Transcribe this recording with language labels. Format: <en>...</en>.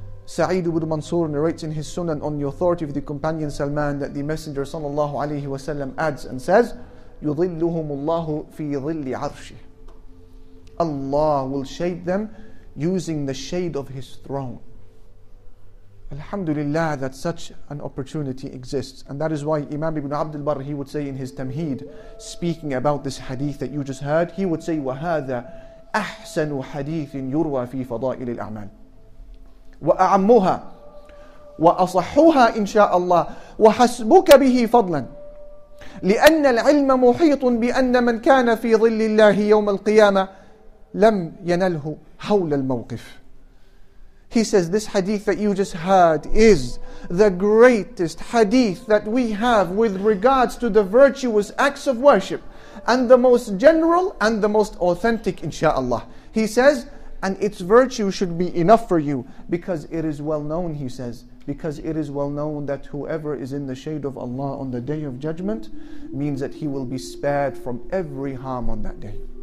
<en>Sa'id ibn Mansur narrates in his Sunan on the authority of the companion Salman that the Messenger sallallahu alayhi wa sallam adds and says,</en> <ar>Yudhilluhumullahu fi dhilli arshi.</ar> <en>Allah will shade them using the shade of his throne. Alhamdulillah that such an opportunity exists. And that is why Imam Ibn Abdul Barr, he would say</en> <ar>in his Tamheed, speaking about this hadith that you just heard, he would say, وَهَذَا أَحْسَنُ حَدِيثٍ يُرْوَى فِي فَضَائِلِ الْأَعْمَالِ وَأَعَمُّهَا وَأَصَحُّهَا إِنْ شَاءَ اللَّهِ وَحَسْبُكَ بِهِ فَضْلًا لِأَنَّ الْعِلْمَ مُحِيطٌ بِأَنَّ مَنْ كَانَ فِي ظِلِّ اللَّهِ يَوْمَ الْقِيَامَةِ لَمْ يَنَلْهُ حَوْلَ الْمَوْقِفِ.</ar> <en>He says, this hadith that you just heard is the greatest hadith that we have with regards to the virtuous acts of worship and the most general and the most authentic, insha'Allah. He says, and its virtue should be enough for you because it is well known, he says, because it is well known that whoever is in the shade of Allah on the day of judgment means that he will be spared from every harm on that day.</en>